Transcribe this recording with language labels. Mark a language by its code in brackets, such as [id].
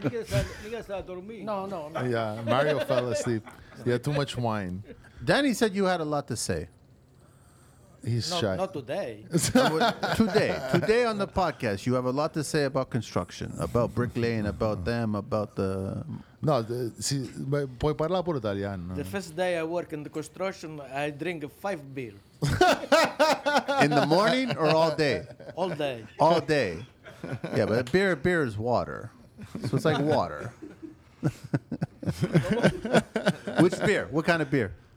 [en] No. Yeah, Mario fell asleep. Yeah, too much wine. Danny said you had a lot to say. He's shy. Not today. Today on the podcast, you have a lot to say about construction, about bricklaying, about them, about the. [it] No, puoi parlare pure italiano. [en] The first day I work in the construction, I drink 5 beers. In the morning or all day? All day. All day. Yeah, but beer is water. So it's like water. Which beer? What kind of beer?